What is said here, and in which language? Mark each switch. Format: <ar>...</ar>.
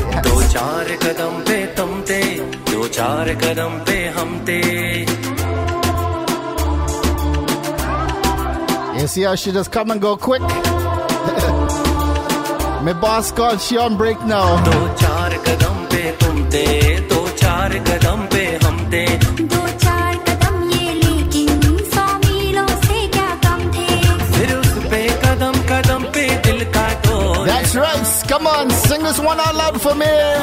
<hi>दो चार कदम पे तुम थे, दो चार कदम पे हम थे.</hi> <en>You see how she just come and go quick. My boss called, she on break now.</en> <hi>दो चार कदम हमते दो चार कदम पे हमते दो चार कदम ये लेकिन सौ मीलों से क्या कम थे फिर उस पे कदम कदम पे दिल का तो</hi> <en>That's right, come on, sing this one out loud for me.</en>